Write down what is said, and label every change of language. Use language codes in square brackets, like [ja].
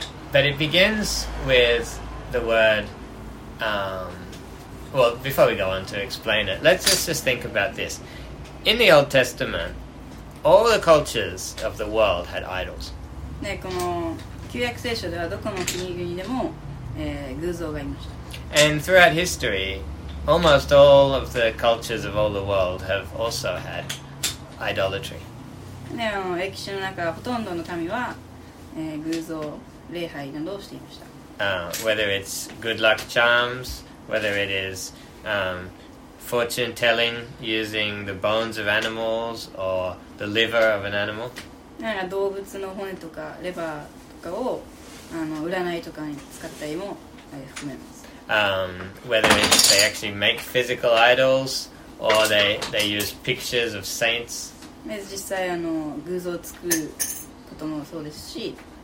[en] But it begins with the word well, before we go on to explain it, let's just think about this. In the Old Testament, all the cultures of the world had idols. [ja] ね、この旧約聖書ではどこの国々でも、偶像がいました。 [en] And throughout history, almost all of the cultures of all the world have also had idolatry. [ja] ね、あの、歴史の中ほとんどの民は、偶像礼拝などをしていました。 [en] Whether it's good luck charms, whether it is fortune telling using the bones of animals or the liver of an animal. [ja] なんか動物の骨とかレバーとかを占いとかに使ったりも含めます。 [en] Whether it's they actually make physical idols or they use pictures of saints. [ja] 実際あの偶像を作ることもそうですし、